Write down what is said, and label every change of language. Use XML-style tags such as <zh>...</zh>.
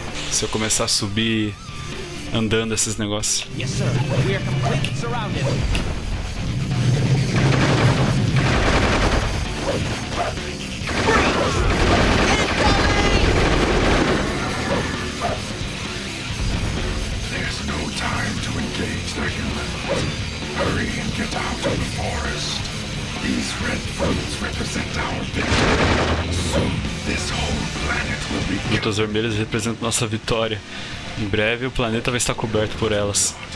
<pt>Se eu começar a subir andando esses negócios.</pt> <en>Yes, sir. We are completely surrounded. There's no time to engage the humans. Hurry and get out of the forest. These red fruits represent our victory. Soon this whole planet will be.</en> <pt>Frutas vermelhas representam nossa vitória. Em breve o planeta vai estar coberto por elas.</pt>